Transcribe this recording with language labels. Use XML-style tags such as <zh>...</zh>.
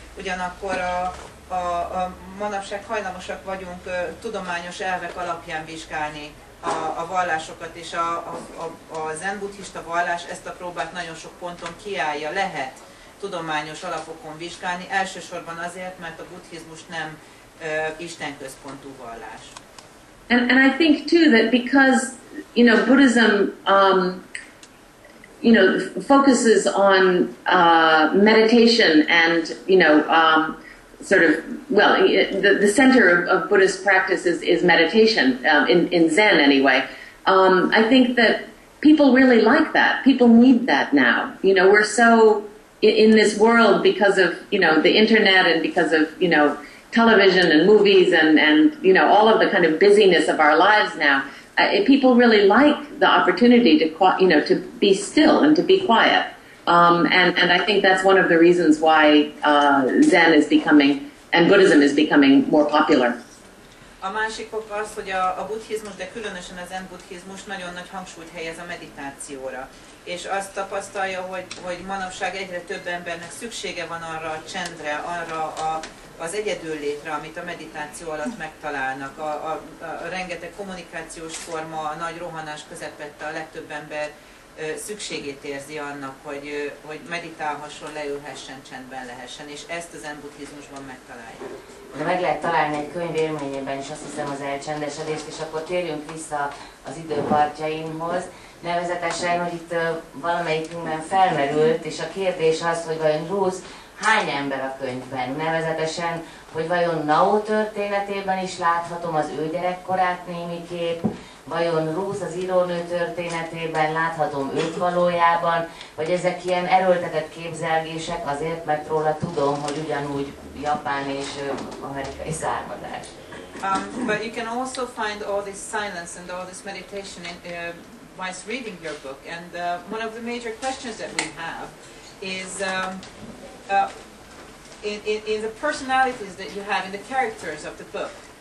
<hu>Ugyanakkor a manapság hajlamosak vagyunk tudományos elvek alapján vizsgálni a vallásokat, és a zen buddhista vallás ezt a próbát nagyon sok ponton kiállja, lehet tudományos alapokon vizsgálni, elsősorban azért, mert a buddhizmus nem istenközpontú vallás.</hu> <en>And I think too that because, you know, Buddhism, you know, focuses on meditation and, you know, sort of, well, the center of Buddhist practice is meditation, in Zen anyway. I think that people really like that. People need that now. You know, we're so in this world because of, you know, the internet and because of, you know, television and movies and you know, all of the kind of busyness of our lives now. People really like the opportunity to, you know, to be still and to be quiet. And I think that's one of the reasons why Zen is becoming, and Buddhism is becoming more popular.</en> <hu>A másik ok az, hogy a buddhizmus, de különösen a zen buddhizmus nagyon nagy hangsúlyt helyez a meditációra. És azt tapasztalja, hogy manapság egyre több embernek szüksége van arra a csendre, arra az egyedül létre, amit a meditáció alatt megtalálnak. A rengeteg kommunikációs forma, a nagy rohanás közepette a legtöbb ember szükségét érzi annak, hogy meditálhasson, leülhessen, csendben lehessen, és ezt a zen buddhizmusban megtalálja. De meg lehet találni egy könyv élményében is, azt hiszem, az elcsendesedést, és akkor térjünk vissza az időpartjaimhoz. Nevezetesen, hogy itt valamelyikünkben felmerült, és a kérdés az, hogy vajon Rusz hány ember a könyvben? Nevezetesen, hogy vajon Nao történetében is láthatom az ő gyerekkorát némiképp, vajon Rusz az írónő történetében láthatom őt valójában, vagy ezek ilyen erőltetett képzelgések azért, mert róla tudom, hogy ugyanúgy japán és amerikai származás.</hu> <en>But you can also find all this silence and all this meditation in, whilst reading your book. And one of the major questions that we have is in the personalities that you have, in the characters of the book.</en>